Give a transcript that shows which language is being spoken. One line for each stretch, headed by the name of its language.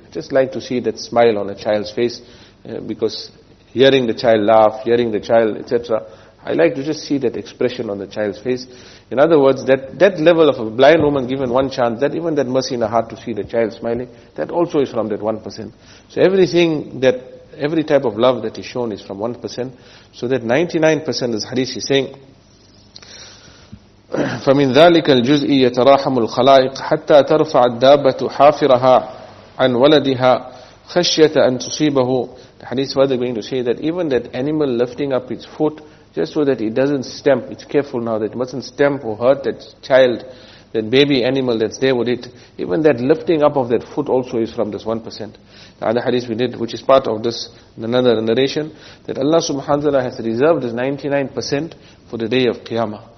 English: I just like to see that smile on a child's face, because hearing the child laugh, hearing the child, etc., I like to just see that expression on the child's face. In other words, that level of a blind woman given one chance, that even that mercy in her heart to see the child smiling, that also is from that 1%. So everything that, every type of love that is shown is from 1%. So that 99%, as hadith is saying,
Arabic: فَمِنْ ذَلِكَ الْجُزْءِ يَتَرَاحَمُ الْخَلَائِقِ حَتَّى تَرْفَعَ الدَّابَةُ حَافِرَهَا عَنْ وَلَدِهَا خَشْيَةَ أَنْ تُصِيبَهُ.
English: The hadith further going to say that even that animal lifting up its foot, just so that it doesn't stamp, it's careful now, that it mustn't stamp or hurt that child, that baby animal that's there would eat. Even that lifting up of that foot also is from this 1%. The other hadith we did, which is part of this, another narration, that Allah subhanahu wa ta'ala has reserved this 99% for the day of Qiyamah.